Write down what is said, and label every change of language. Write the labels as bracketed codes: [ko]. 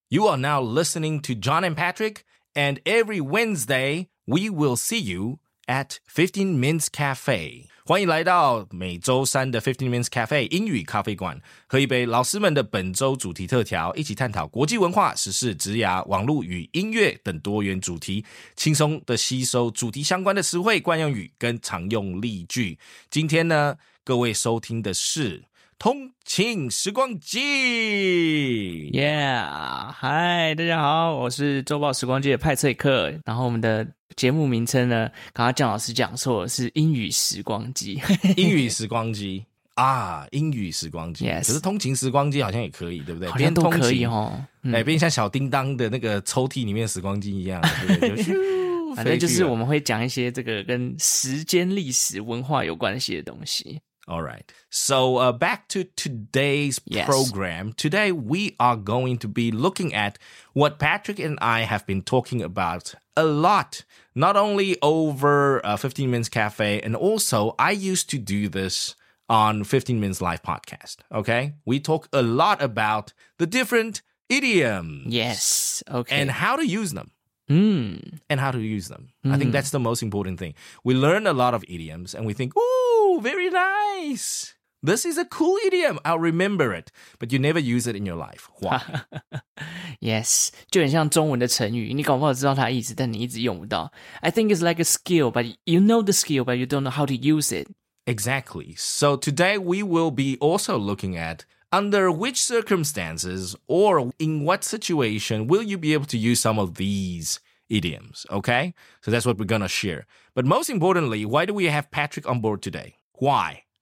[en] You are now listening to John and Patrick, and every Wednesday, we will see you at 15Mins Cafe. [zh] 欢迎来到每周三的 15Mins Cafe 英语咖啡馆，喝一杯老师们的本周主题特调，一起探讨国际文化、时事、职涯、网络与音乐等多元主题，轻松的吸收主题相关的词汇、惯用语跟常用例句。今天呢，各位收听的是通勤时光机，Yeah， 嗨，大家好，我是周报时光机的派翠克。然后我们的节目名称呢，刚刚姜老师讲错了，是英语时光机，英语时光机啊，英语时光机。 [en] Yes， [zh] 可是通勤时光机好像也可以，对不对？好像都可以哦。哎，变像小叮当的那个抽屉里面的时光机一样，对反正就是我们会讲一些这个跟时间、历史、文化有关系的东西。 [en] All right. So, back to today's program. Yes. Today, we are going to be looking at what Patrick and I have been talking about a lot, not only over 15Mins Cafe, and also I used to do this on 15Mins Live podcast. Okay. We talk a lot about the different idioms. Yes. Okay. And how to use them. Mm. And how to use them. Mm. I think that's the most important thing. We learn a lot of idioms and we think, ooh. Very nice. This is a cool idiom. I'll remember it. But you never use it in your life. Why? Yes. [zh] 就很像中文的成语。你搞不好知道它的意思，但你一直用不到。 [en] I think it's like a skill, but you know the skill, but you don't know how to use it. Exactly. So today we will be also looking at under which circumstances or in what situation will you be able to use some of these idioms, okay? So that's what we're gonna share. But most importantly, why do we have Patrick on board today? Why?